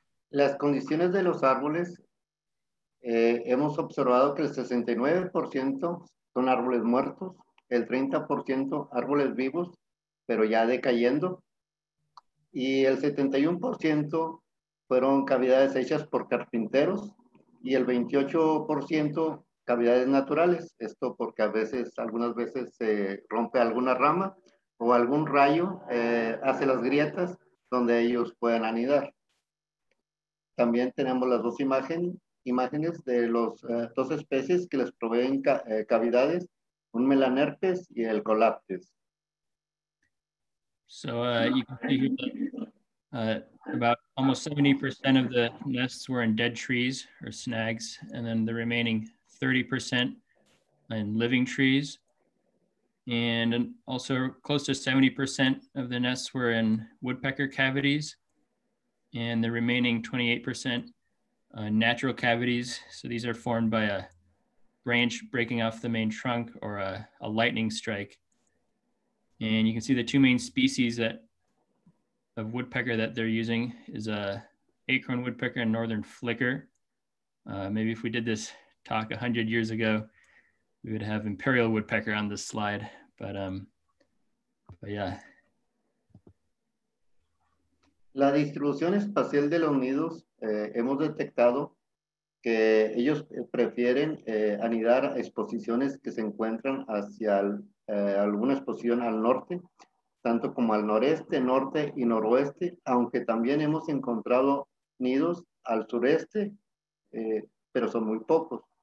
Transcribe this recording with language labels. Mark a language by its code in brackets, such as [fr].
[es] Las condiciones de los árboles, hemos observado que el 69% son árboles muertos, el 30% árboles vivos, pero ya decayendo, y el 71% fueron cavidades hechas por carpinteros, y el 28% cavidades naturales, esto porque a veces, algunas veces se rompe alguna rama o algún rayo hace las grietas donde ellos pueden anidar. También tenemos las dos imágenes de las dos especies que les proveen cavidades, un melanerpes y el colaptes. [en] So you can see here that about almost 70% of the nests were in dead trees or snags, and then the remaining 30% in living trees. And also close to 70% of the nests were in woodpecker cavities, and the remaining 28% natural cavities. So these are formed by a branch breaking off the main trunk or a lightning strike. And you can see the two main species that of woodpecker that they're using is a acorn woodpecker and northern flicker. Maybe if we did this talk 100 years ago, we would have imperial woodpecker on this slide, but yeah. [es] La distribución espacial de los nidos, hemos detectado que ellos prefieren anidar exposiciones que se encuentran hacia alguna exposición al norte, tanto como al noreste, norte y noroeste, aunque también hemos encontrado nidos al sureste, pero son muy pocos.